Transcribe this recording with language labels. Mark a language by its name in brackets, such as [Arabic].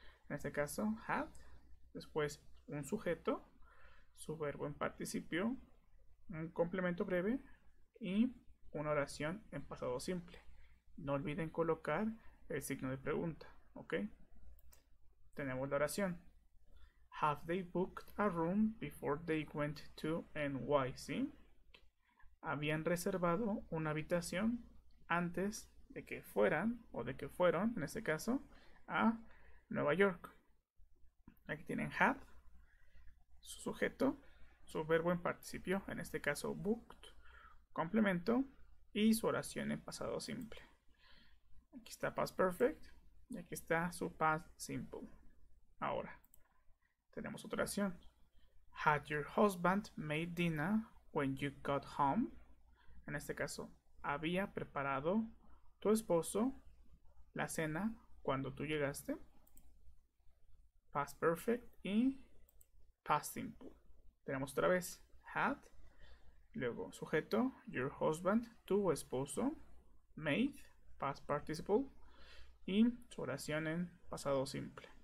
[Spanish] En este caso, had, después un sujeto, su verbo en participio, un complemento breve y una oración en pasado simple. No olviden colocar el signo de pregunta, ¿ok? Tenemos la oración. [English] Have they booked a room before they went to NYC? [Spanish] ¿Habían reservado una habitación antes de que fueran, o de que fueron, en este caso, a Nueva York? Aquí tienen have, su sujeto, su verbo en participio, en este caso booked, complemento, y su oración en pasado simple. Aquí está past perfect, y aquí está su past simple. Ahora, tenemos otra oración. [English] Had your husband made dinner when you got home? [Spanish] En este caso, ¿había preparado tu esposo la cena cuando tú llegaste? Past perfect y past simple. Tenemos otra vez. Had, luego sujeto, your husband, tu esposo, made, past participle, y su oración en pasado simple.